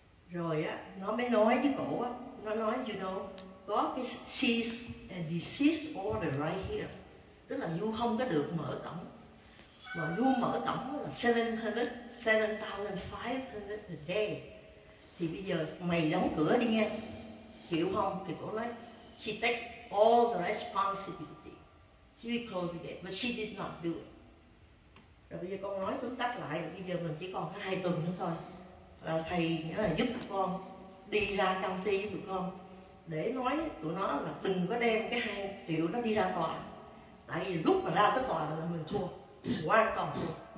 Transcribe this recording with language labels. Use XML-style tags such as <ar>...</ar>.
<vi>Rồi á, nó mới nói với cổ á, nó nói</vi> <en>you know,</en> <vi>có cái</vi> <en>cease and desist order right here.</en> <vi>Tức là you không có được mở cổng. Mà you mở cổng là 7,500</vi> <en>a day.</en> <vi>Thì bây giờ mày đóng cửa đi nha, chịu không? Thì cổ nói,</vi> <en>she take all the responsibility. She will close the gate, but she did not do it.</en> <vi>Rồi bây giờ con nói tóm tắt lại, bây giờ mình chỉ còn có 2 tuần nữa thôi. Là thầy nghĩa là giúp con đi ra công ty với tụi con, để nói tụi nó là đừng có đem cái 2 triệu nó đi ra tòa. Tại vì lúc mà ra tới tòa là mình thua, hoàn toàn thua.</vi>